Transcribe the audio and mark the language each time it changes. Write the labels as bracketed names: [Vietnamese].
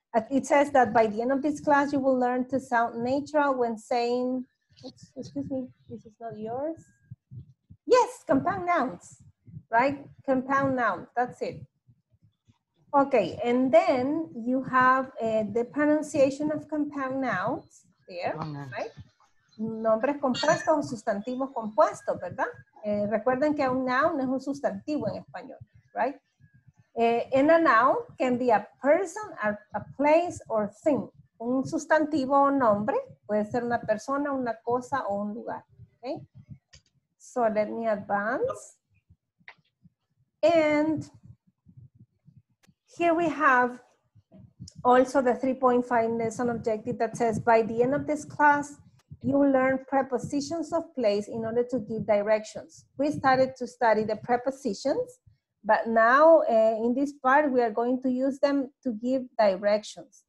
[English] It says that by the end of this class, you will learn to sound natural when saying, excuse me, this is not yours. Yes, compound nouns, right? Compound nouns, that's it. Okay, and then you have the pronunciation of compound nouns there, right? [Spanish] Nombres compuestos o sustantivos compuestos, ¿verdad? Recuerden que un noun es un sustantivo en español, right? [English] In a noun can be a person, a place, or thing. [Spanish] Un sustantivo o nombre puede ser una persona, una cosa, o un lugar. [English] Okay? So let me advance. And here we have also the 3.5 lesson objective that says, by the end of this class, you learn prepositions of place in order to give directions. We started to study the prepositions. But now, in this part, we are going to use them to give directions.